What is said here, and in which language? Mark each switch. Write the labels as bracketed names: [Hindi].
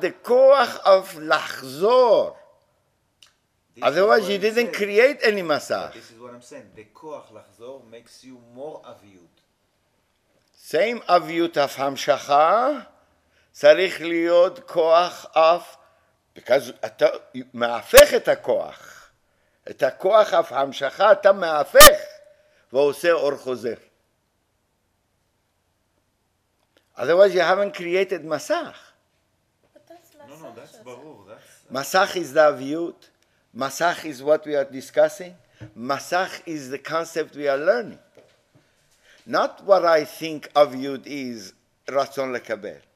[English] the כוח of לחזור. Otherwise, you didn't create any masach. This is what I'm saying. The koach lachzor makes you more aviyut. [Hebrew] Same aviyut of hamshacha, צריך להיות koach of, because אתה מהפך את הכוח. את הכוח of hamshacha, אתה מהפך ועושה אור חוזר. [English] Otherwise, you haven't created masach. No, that's ברור. Masach is the aviyut. Masach is what we are discussing. Masach is the concept we are learning. Not what I think Aviyut is Ratzon Lekabel.